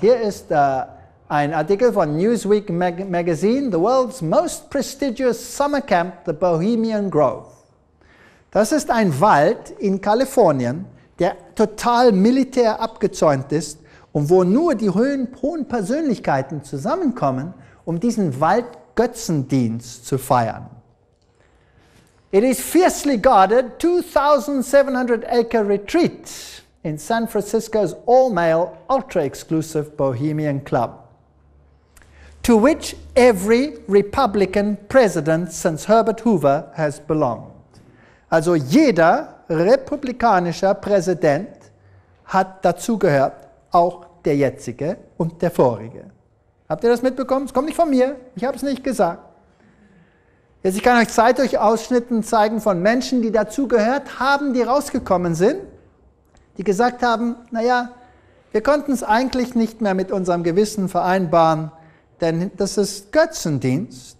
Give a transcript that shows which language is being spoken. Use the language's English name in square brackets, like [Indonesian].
[German] Hier ist ein Artikel von Newsweek Magazine, The World's Most Prestigious Summer Camp, The Bohemian Grove. Das ist ein Wald in Kalifornien, der total militär abgezäunt ist und wo nur die hohen Persönlichkeiten zusammenkommen, um diesen Waldgötzendienst zu feiern. [English] It is fiercely guarded 2,700-acre retreat in San Francisco's all-male, ultra-exclusive Bohemian Club, to which every Republican president since Herbert Hoover has belonged. [German] Also jeder republikanische Präsident hat dazugehört, auch der jetzige und der vorige. Habt ihr das mitbekommen? Es kommt nicht von mir, ich habe es nicht gesagt. Jetzt, ich kann euch Zeitungsausschnitten zeigen von Menschen, die dazugehört haben, die rausgekommen sind, die gesagt haben, naja, wir konnten es eigentlich nicht mehr mit unserem Gewissen vereinbaren, denn das ist Götzendienst.